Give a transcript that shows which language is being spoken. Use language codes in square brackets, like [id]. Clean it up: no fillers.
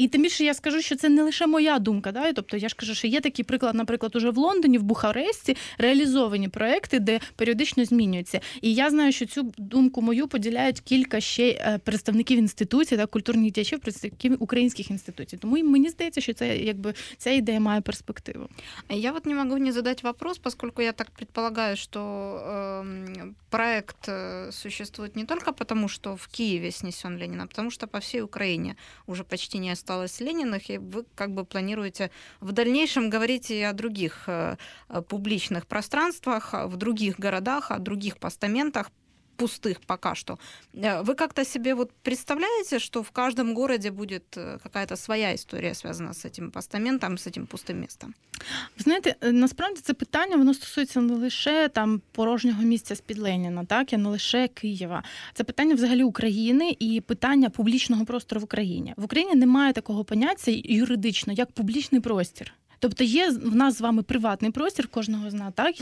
[uk] І тим більше я скажу, що це не лише моя думка, так? Тобто я ж кажу, що є такий приклад, наприклад, уже в Лондоні, в Бухаресті реалізовані проекти, де періодично змінюються. І я знаю, що цю думку мою поділяють кілька ще представників інституцій, так, культурних діячів, представників українських інституцій. Тому мені здається, що це якби ця ідея має перспективу. [ru] Я от не можу не задати вопрос, поскольку я так предполагаю, что проект существует не только потому, что в Киеве снесен Ленин, а потому что по всей Украине уже почти не осталось Лениных, и вы как бы планируете в дальнейшем говорить и о других публичных пространствах, в других городах, о других постаментах, пустых пока что. Вы как-то себе вот представляете, что в каждом городе будет какая-то своя история, связана с этим постаментом, с этим пустым местом? [uk] Знаете, насправді це питання, воно стосується не лише там порожнього місця з-під Леніна, так, і не лише Києва. Це питання взагалі України і питання публічного простору в Україні. В Україні немає такого поняття юридично, як публічний простір. Тобто є в нас з вами приватний простір кожного з нас, так?